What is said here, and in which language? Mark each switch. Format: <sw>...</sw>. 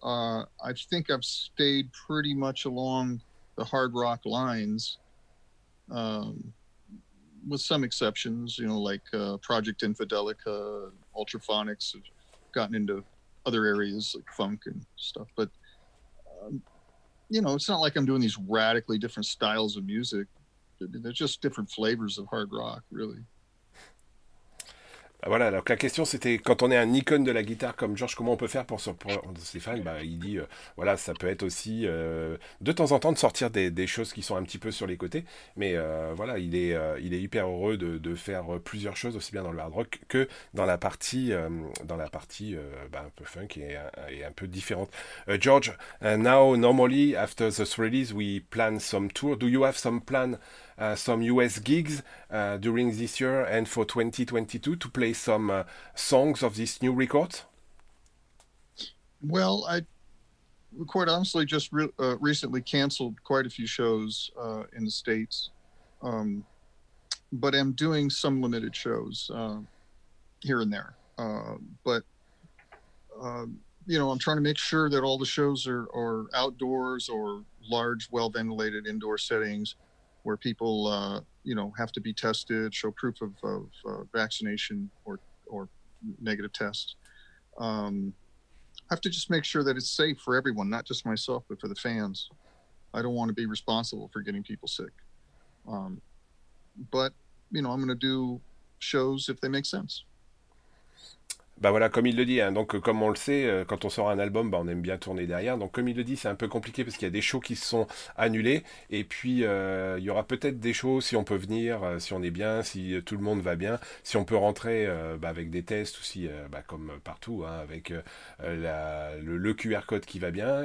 <en>I think I've stayed pretty much along the hard rock lines, with some exceptions, you know, like Project Infidelica, Ultraphonics have gotten into other areas like funk and stuff. But, you know, it's not like I'm doing these radically different styles of music. They're just different flavors of hard rock, really.</en> <fr>Voilà, donc la question c'était, quand on est un icône de la guitare comme George, comment on peut faire pour ses fans? Bah, il dit, voilà, ça peut être aussi, de temps en temps, de sortir des choses qui sont un petit peu sur les côtés, mais voilà, il est hyper heureux de faire plusieurs choses, aussi bien dans le hard rock que dans la partie bah, un peu funk et un peu différente.</fr> <en>George, now, normally, after this release, we plan some tour. Do you have some plan? Some US gigs during this year and for 2022 to play some songs of this new record? Well, I quite honestly just recently canceled quite a few shows in the States, but I'm doing some limited shows here and there. But, you know, I'm trying to make sure that all the shows are outdoors or large, well-ventilated indoor settings, where people, you know, have to be tested, show proof of vaccination or negative test. I have to just make sure that it's safe for everyone, not just myself, but for the fans. I don't want to be responsible for getting people sick. But, you know, I'm going to do shows if they make sense.</en> <fr>Ben voilà, comme il le dit, hein, donc comme on le sait, quand on sort un album, ben, on aime bien tourner derrière. Donc comme il le dit, c'est un peu compliqué parce qu'il y a des shows qui se sont annulés. Et puis, il y aura peut-être des shows si on peut venir, si on est bien, si tout le monde va bien, si on peut rentrer ben, avec des tests aussi, ben, comme partout, hein, avec le QR code qui va bien.</fr>